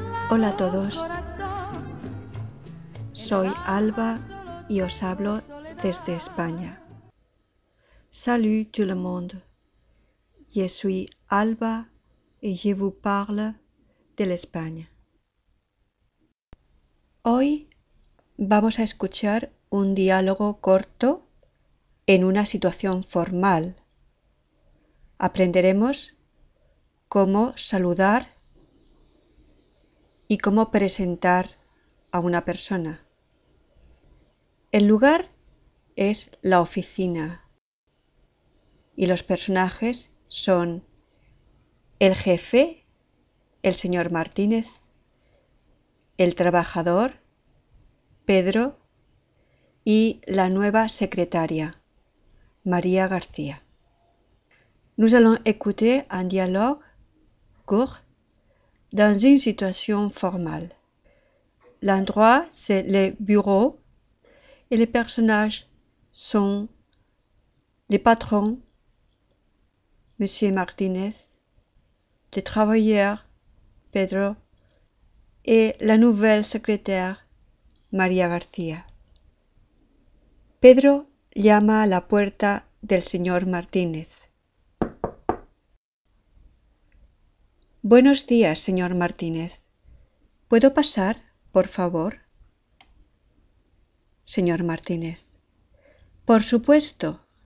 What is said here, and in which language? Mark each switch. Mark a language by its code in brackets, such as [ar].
[es] Hola a todos, soy Alba y os hablo desde España. [fr] Salut tout le monde, je suis Alba y je vous parle de l'Espagne. [es] Hoy vamos a escuchar un diálogo corto en una situación formal. Aprenderemos cómo saludar y cómo presentar a una persona. El lugar es la oficina y los personajes son el jefe, el señor Martínez, el trabajador, Pedro, y la nueva secretaria, María García. [fr] Nous allons écouter un dialogue court dans une situation formale. L'endroit, c'est le bureau et les personnages sont les patrons, Monsieur Martinez, les travailleurs, Pedro, et la nouvelle secrétaire, María García. [es] Pedro llama a la puerta del señor Martínez. Buenos días, señor Martínez. ¿Puedo pasar, por favor? Señor Martínez. Por supuesto.